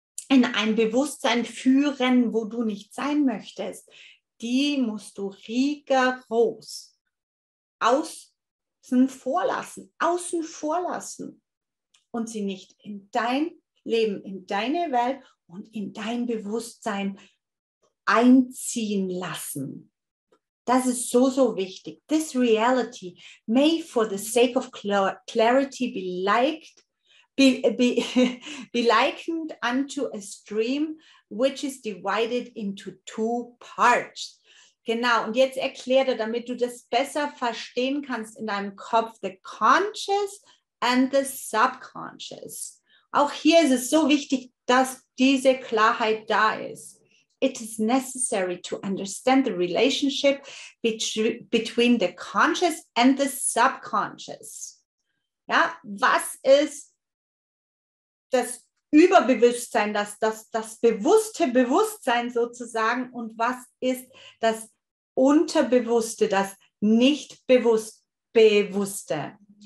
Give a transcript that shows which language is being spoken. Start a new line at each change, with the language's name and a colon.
German: in ein Bewusstsein führen, wo du nicht sein möchtest, die musst du rigoros außen vor lassen und sie nicht in dein Leben, in deine Welt und in dein Bewusstsein einziehen lassen. Das ist so, so wichtig.
English: This reality may for the sake of clarity be likened unto a stream which is divided into two parts.
German: Genau, und jetzt erklär dir, damit du das besser verstehen kannst in deinem Kopf,
English: the conscious and the subconscious.
German: Auch hier ist es so wichtig, dass diese Klarheit da ist.
English: It is necessary to understand the relationship between the conscious and the subconscious.
German: Ja, was ist das Überbewusstsein, das bewusste Bewusstsein sozusagen, und was ist das Unterbewusste, das nicht bewusste?